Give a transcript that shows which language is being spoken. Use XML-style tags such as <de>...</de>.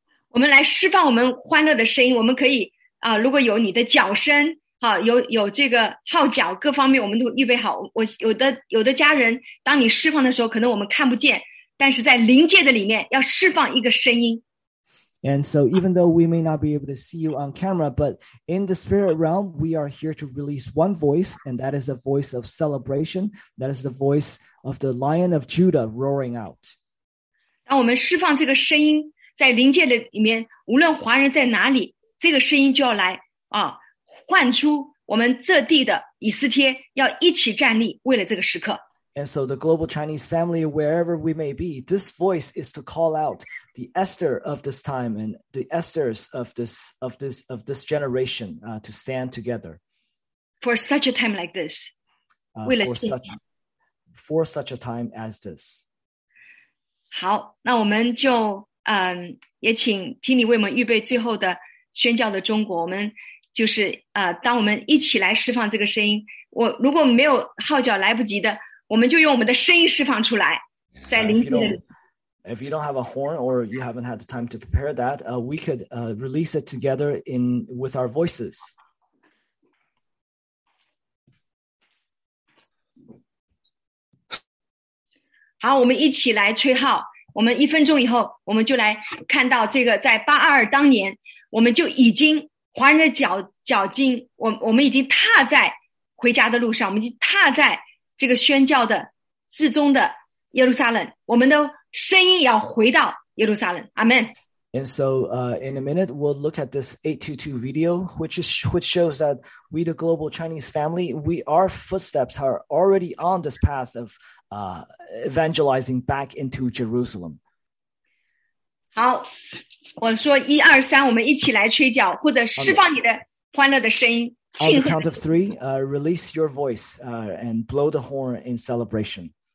<zh>我们来释放我们欢乐的声音，我们可以如果有你的脚声，有这个号角，各方面我们都预备好。我有的家人，当你释放的时候，可能我们看不见，但是在灵界的里面要释放一个声音。</zh> <en>And so even though we may not be able to see you on camera, but in the spirit realm, we are here to release one voice, and that is the voice of celebration. That is the voice of the Lion of Judah roaring out.</en> <zh>当我们释放这个声音在灵界的里面，无论华人在哪里，这个声音就要来啊，唤出我们这地的以斯帖要一起站立，为了这个时刻。</zh> <en>And so the global Chinese family, wherever we may be, this voice is to call out the Esther of this time and the Esthers of this generation to stand together. For such a time like this. For such a time as this.</en> <zh>好，那我们就也请听你为我们预备最后的宣教的中国。我们就是当我们一起来释放这个声音，我如果没有号角来不及的，我们就用我们的声音释放出来，在灵界。</zh> <en>If you don't have a horn or you haven't had the time to prepare that, we could release it together with our voices. Good,</en> <zh>我们一起来吹号。我们一分钟以后，我们就来看到这个，在822当年，我们就已经华人的脚印，我们已经踏在回家的路上，我们已经踏在这个宣教的至终的耶路撒冷，我们的声音要回到耶路撒冷。</zh> <en>Amen. And so, in a minute, we'll look at this 822 video, which shows that we, the global Chinese family, we our footsteps are already on this path of evangelizing back into Jerusalem.</en> <zh>好，我说一二三，我们一起来吹角，或者释放你的欢乐的声音。</zh> <en>On the count of three, release your voice and blow the horn in celebration.</en>